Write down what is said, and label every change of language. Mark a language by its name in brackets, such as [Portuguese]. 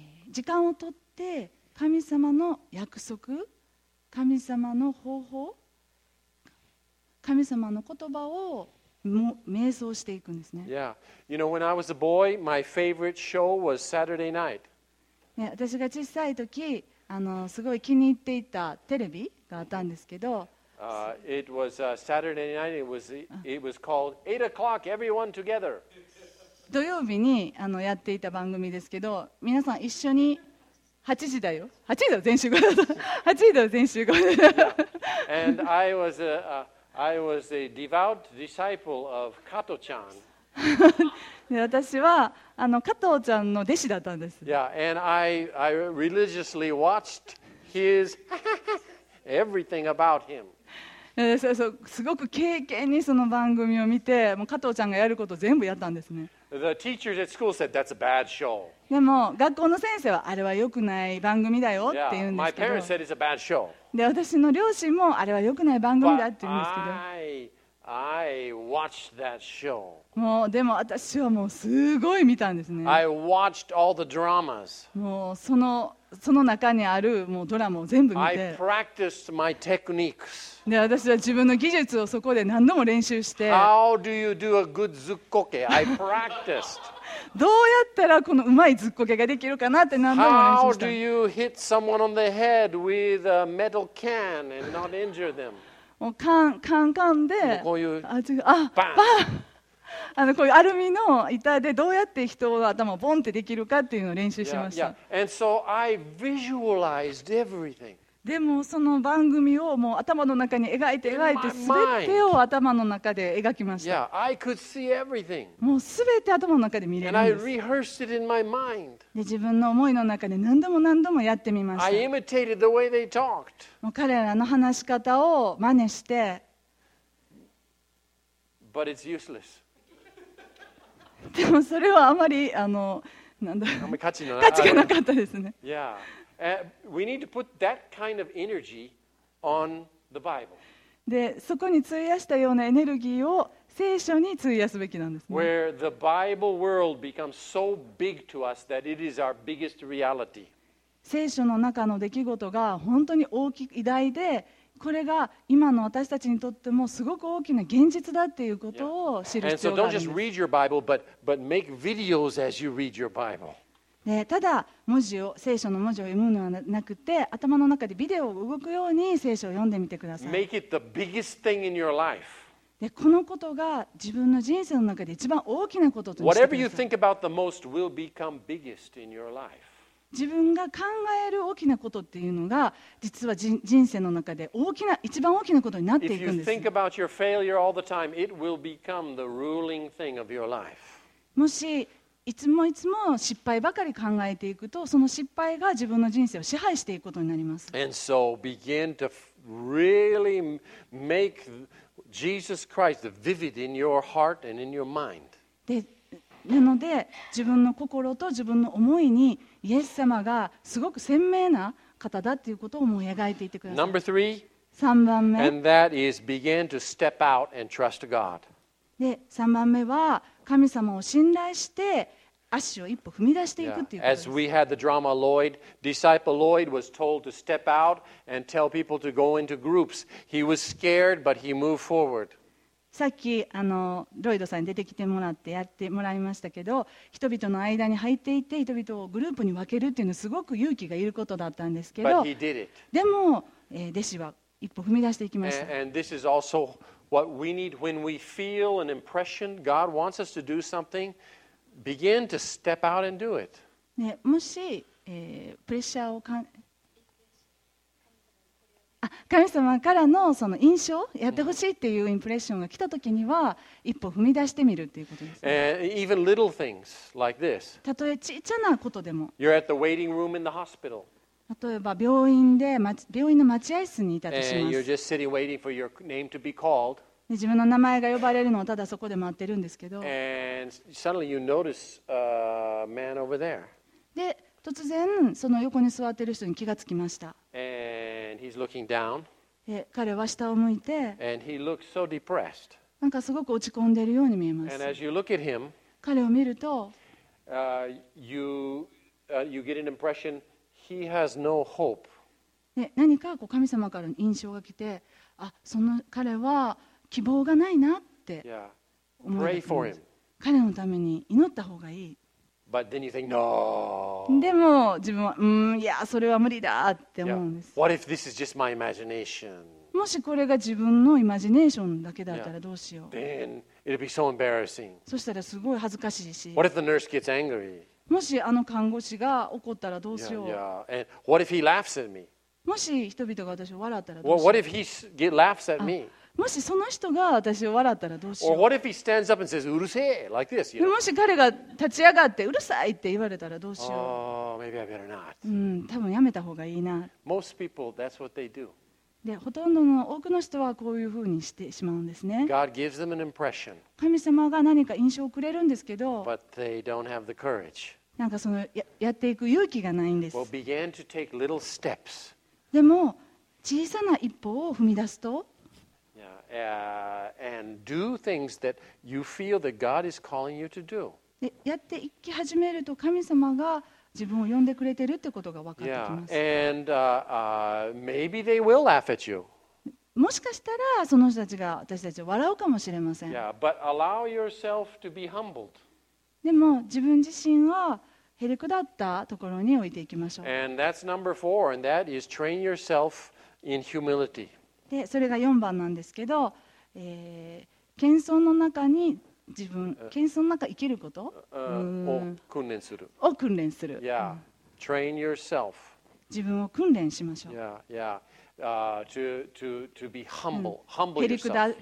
[Japanese] 時間をとって神様の約束、神様の方法、神様の言葉を瞑想していくんですね。 [English] Yeah, you know, when I was a boy, my favorite show was Saturday Night. [Japanese] 私が小さい時。すごい気に入っていたテレビがあったんですけど、 [English] It was Saturday night. It was called 8 o'clock. Everyone together. [Japanese] 土曜日にやっていた番組ですけど、皆さん一緒に8時だよ。 8時だよ全集合。8時だよ全集合。 [English] Yeah. And I was a devout disciple of Kato-chan. [Japanese] 私は。加藤ちゃんの弟子だったんです。 [English] Yeah, and I religiously watched his everything about him. [Japanese] すごく敬虔にその番組を見て、もう加藤ちゃんがやること全部やったんですね。 [English] The teachers at school said that's a bad show. [Japanese] でも学校の先生はあれは良くない番組だよって言うんですけど。 [English] Yeah, my parents said it's a bad show. [Japanese] で私の両親もあれは良くない番組だって言うんですけど。 [English] I watched that show. [Japanese] もうでも私はもうすごい見たんですね。 [English] I watched all the dramas. [Japanese] もうその中にあるもうドラマを全部見て。 [English] I practiced my techniques. [Japanese] で私は自分の技術をそこで何度も練習して。 [English] How do you do a good zukkoke? I practiced. [Japanese] どうやったらこのうまいズッコケができるかなって何度も練習した。 [English] How do you hit someone on the head with a metal can and not injure them? [Japanese] もうカンカンカンで、こういう、あ、違う、あ、バン、バン、こういうアルミの板でどうやって人の頭をボンってできるかっていうのを練習しました。 [English] Yeah, yeah. And so I visualized everything. [Japanese] でもその番組をもう頭の中に描いて全てを頭の中で描きました。 [English] Yeah, I could see everything. [Japanese] もう全て頭の中で見れるんです。 [English] And I rehearsed it in my mind. [Japanese] で自分の思いの中で何度も何度もやってみました。 [English] I imitated the way they talked. [Japanese] もう彼らの話し方を真似して。 [English] But it's useless. [Japanese] でもそれはあまり価値がなかったですね。 [English] Yeah. We need to put that kind of energy on the Bible. [Japanese] で、そこに費やしたようなエネルギーを聖書に費やすべきなんですね。 [English] Where the Bible world becomes so big to us that it is our biggest reality. [Japanese] 聖書の中の出来事が本当に大きく偉大でこれが今の私たちにとってもすごく大きな現実だっていうことを知る必要があるんです。 [English] And so don't just read your Bible, but make videos as you read your Bible. [Japanese] でただ文字を聖書の文字を読むのはなくて頭の中でビデオを動くように聖書を読んでみてください。 [English] Make it the biggest thing in your life. [Japanese] でこのことが自分の人生の中で一番大きなこととして [English] Whatever you think about the most will become biggest in your life. [Japanese] 自分が考える大きなことっていうのが実は人生の中で大きな一番大きなことになっていくんです。 [English] If you think about your failure all the time, it will become the ruling thing of your life. [Japanese] もしいつもいつも失敗ばかり考えていくとその失敗が自分の人生を支配していくことになります。 [English] And so begin to really make Jesus Christ vivid in your heart and in your mind. [Japanese] でなので自分の心と自分の思いにイエス様がすごく鮮明な方だということを思い描いていてください。 [English] Number three, [Japanese] 3番目 [English] And that is begin to step out and trust God. [Japanese] で3番目は神様を信頼して足を一歩踏み出していくということです。 [English] As we had the drama Lloyd, disciple Lloyd was told to step out and tell people to go into groups. He was scared, but he moved forward. [Japanese] さっきロイドさんに出てきてもらってやってもらいましたけど、人々の間に入っていって人々をグループに分けるっていうのはすごく勇気がいることだったんですけど、 [English] But he did it. [Japanese] でも、弟子は一歩踏み出していきました。 [English] And this is also... What we need when we feel an impression, God wants us to do something, begin to step out and do it. [Japanese] ね、もし、プレッシャーを神様からのその印象、やってほしいっていうインプレッションが来た時には、一歩踏み出してみるっていうことですね。 [English] Even little things like this. [Japanese] たとえちっちゃなことでも。 [English] You're at the waiting room in the hospital. [Japanese] 例えば病院で病院の待合室にいたとします。 [English] And you're just sitting waiting for your name to be called. [Japanese] 自分の名前が呼ばれるのをただそこで待ってるんですけど。 [English] And suddenly you notice a man over there. [Japanese] で突然その横に座ってる人に気がつきました。 [English] And he's looking down. [Japanese] 彼は下を向いて。 [English] And he looks so depressed. [Japanese] なんかすごく落ち込んでるように見えます。 [English] And as you look at him, [Japanese] 彼を見ると、 [English] you get an impression. He has no hope. [Japanese] で何かこう神様からの印象が来て、あ、その彼は希望がないなって思い出す。 [English] Pray for him. [Japanese] 彼のために祈った方がいい。 [English] But then you think, no. [Japanese] でも自分は、いや、それは無理だって思うんです。 [English] Yeah. What if this is just my imagination? [Japanese] もしこれが自分のイマジネーションだけだったらどうしよう。 [English] Yeah. Then it'll be so embarrassing. [Japanese] そしたらすごい恥ずかしいし。 [English] What if the nurse gets angry? [Japanese] もしあの看護師が怒ったらどうしよう。 [English] yeah, yeah. And what if he laughs at me? [Japanese] もし人々が私を笑ったらどうしよう。 [English] What if he laughs at me? [Japanese] もしその人が私を笑ったらどうしよう。 [English] Or what if he stands up and says, [Japanese] うるせえ [English] like this, you know? [Japanese] もし彼が立ち上がってうるさいって言われたらどうしよう。 [English] Oh, maybe I better not. [Japanese] 多分やめた方がいいな。 [English] Most people, that's what they do. [Japanese] でほとんどの多くの人はこういうふうにしてしまうんですね。 [English] God gives them an impression. [Japanese] 神様が何か印象をくれるんですけど、 [English] But they don't have the courage. [Japanese] なんかその やっていく勇気がないんです。 [English] Well, begin to take little steps. [Japanese] でも小さな一歩を踏み出すと、 [English] and do things that you feel that God is calling you to do. [Japanese] でやっていき始めると神様が自分を呼んでくれてるってことが分かってきます。 [English] yeah. And maybe they will laugh at you. [Japanese] もしかしたらその人たちが私たちを笑うかもしれません。 [English] yeah. But allow yourself to be humbled. [Japanese] でも自分自身はへりくだったところに置いていきましょう。 [English] And that's number four, and that is train yourself in humility. [Japanese] でそれが4番なんですけど、謙遜の中に自分、謙遜の中生きることを訓練する。を訓練する。 [English] Yeah. Train yourself. [Japanese] 自分を訓練しましょう。 [English] Yeah, yeah. To be humble. Humble yourself.